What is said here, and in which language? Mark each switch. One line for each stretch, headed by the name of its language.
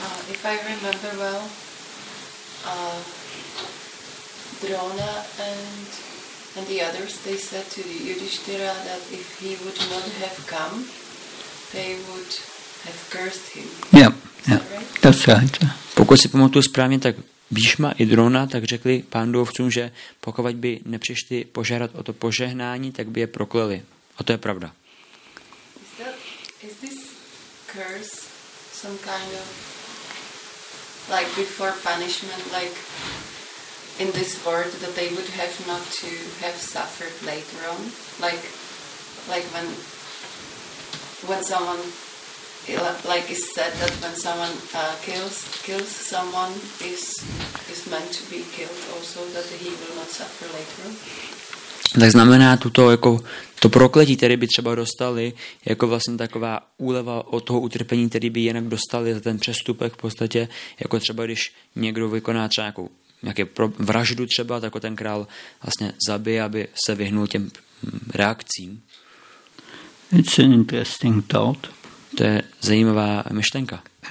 English: If I remember well, Drona and the others, they said to Yudhishthira that if he would not have come, they would have cursed him. Yeah. Is that right? That's right.
Czech: Pokud si pamatuju správně, tak Bhishma i Drona tak řekli pándovcům, že pokud by nepřišli požádat o to požehnání, tak by je prokleli. A to je pravda.
English: Is this curse some kind of like before punishment, like in this world that they would have not to have suffered later on? Like when someone is said that when someone kills someone is meant to be killed also, that he will not suffer later.
Czech: Tak znamená tuto jako to prokletí, které by třeba dostali, jako vlastně taková úleva od toho utrpení, které by jinak dostali za ten přestupek v podstatě, jako třeba když někdo vykoná třeba nějakou vraždu třeba, tak ten král vlastně zabije, aby se vyhnul těm reakcím.
English: It's an interesting thought.
Czech: To je zajímavá myšlenka.